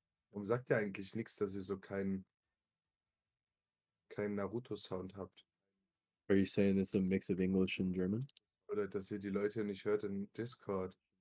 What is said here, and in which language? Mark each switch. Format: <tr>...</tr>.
<de>Warum sagt ihr eigentlich nichts, dass ihr so keinen Naruto-Sound habt?</de> <en>Are you saying it's a mix of English and German?</en> <de>Oder dass ihr die Leute nicht hört in Discord?</de>